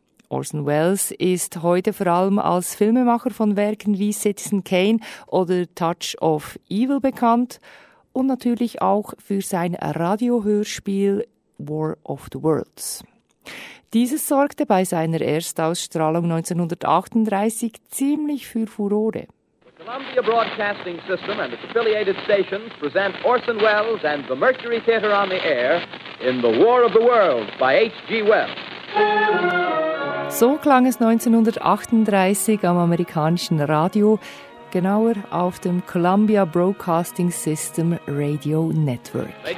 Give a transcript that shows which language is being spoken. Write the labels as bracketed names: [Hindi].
[German] Orson Welles ist heute vor allem als Filmemacher von Werken wie Citizen Kane oder Touch of Evil bekannt und natürlich auch für sein Radiohörspiel War of the Worlds. Dieses sorgte bei seiner Erstausstrahlung 1938 ziemlich für Furore. [English] The Columbia Broadcasting System and its affiliated stations present Orson Welles and the Mercury Theater on the air in The War of the Worlds by H.G. Wells. [German] So klang es 1938 am amerikanischen Radio, genauer auf dem Columbia Broadcasting System Radio Network.